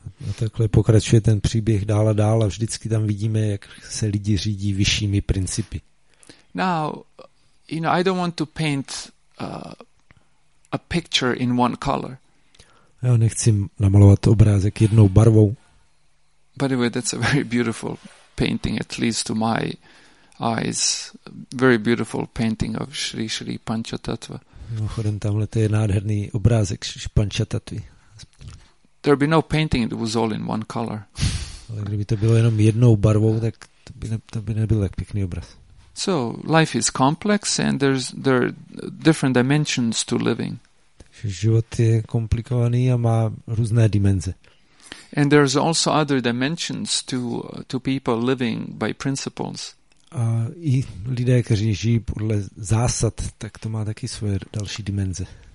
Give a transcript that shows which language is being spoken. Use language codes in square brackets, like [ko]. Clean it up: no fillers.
[cs] A takhle pokračuje ten příběh dál a dál a vždycky tam vidíme, jak se lidi řídí vyššími principy. [en] Now, you know, I don't want to paint a picture in one color. [cs] Já nechci namalovat obrázek jednou barvou. [en] By the way, that's a very beautiful painting, at least to my eyes. Very beautiful painting of Sri Sri Panchatattva. [cs] No, chodem, tamhle to je nádherný obrázek Sri Panchatattvy. [en] There'd be no painting, it was all in one color. [cs] Ale kdyby to bylo jenom jednou barvou, tak to by nebyl tak pěkný obraz. [en] So life is complex and there are different dimensions to living. [cs] Život je komplikovaný a má různé dimenze. [en] And there's also other dimensions to people living by principles. [cs] A i lidé, kteří žijí podle zásad, tak to má taky svoje další dimenze.